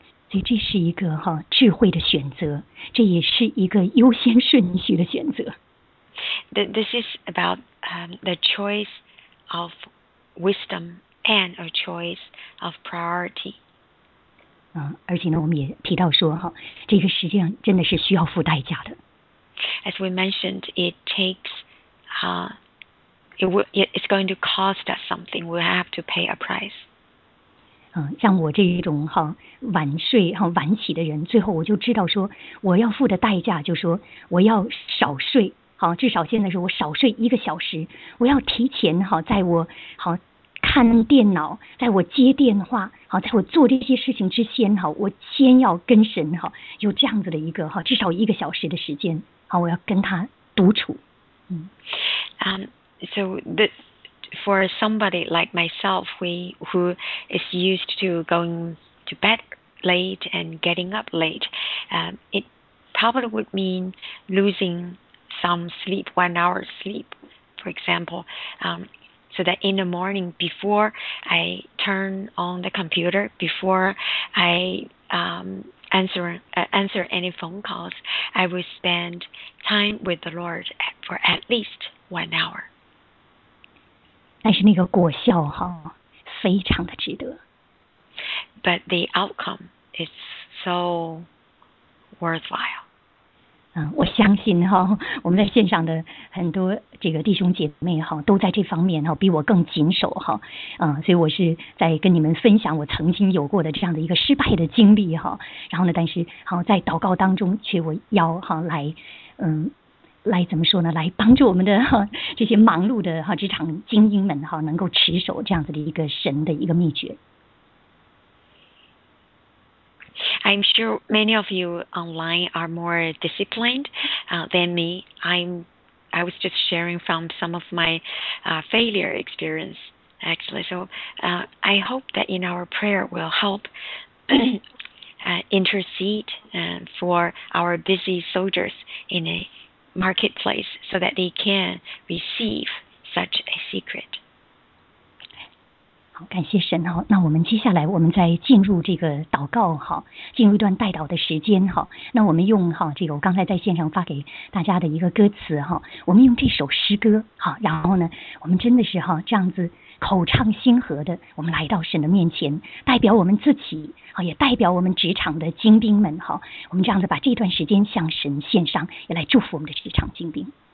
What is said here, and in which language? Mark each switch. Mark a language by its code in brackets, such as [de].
[zh] 所以这是一个哈智慧的选择，这也是一个优先顺序的选择。 [en] This is about the choice of wisdom and a choice of priority. [zh] 而且呢，我们也提到说哈，这个实际上真的是需要付代价的。 [en] As we mentioned, it's going to cost us something. We have to pay a price. [zh] 像我这种哈晚睡哈晚起的人，最后我就知道说，我要付的代价就是说我要少睡。好，至少现在是我少睡一个小时，我要提前好，在我好看电脑，在我接电话，好，在我做这些事情之前好，我先要跟神好有这样子的一个好，至少一个小时的时间，好，我要跟他独处。 [en] So the for somebody like myself, who is used to going to bed late and getting up late, it probably would mean losing. Some sleep, 1 hour sleep, for example, so that in the morning before I turn on the computer, before I answer any phone calls, I will spend time with the Lord for at least 1 hour. [zh] 但是那个果效哈，非常的值得。 [en] But the outcome is so worthwhile. [zh] 我相信哈，我们在线上的很多这个弟兄姐妹哈，都在这方面哈比我更谨守哈，所以我是在跟你们分享我曾经有过的这样的一个失败的经历哈，然后呢，但是好在祷告当中，却我要哈来，来怎么说呢？来帮助我们的哈这些忙碌的哈职场精英们哈，能够持守这样子的一个神的一个秘诀。 [en] I'm sure many of you online are more disciplined than me. I was just sharing from some of my failure experience, actually. So I hope that in our prayer will help intercede for our busy soldiers in a marketplace so that they can receive such a secret. [zh] 好，感谢神哈。那我们接下来，我们再进入这个祷告哈，进入一段代祷的时间哈。那我们用哈这个我刚才在线上发给大家的一个歌词哈，我们用这首诗歌哈，然后呢，我们真的是哈这样子口唱心和的，我们来到神的面前，代表我们自己，好也代表我们职场的精兵们哈。我们这样子把这段时间向神献上，也来祝福我们的职场精兵。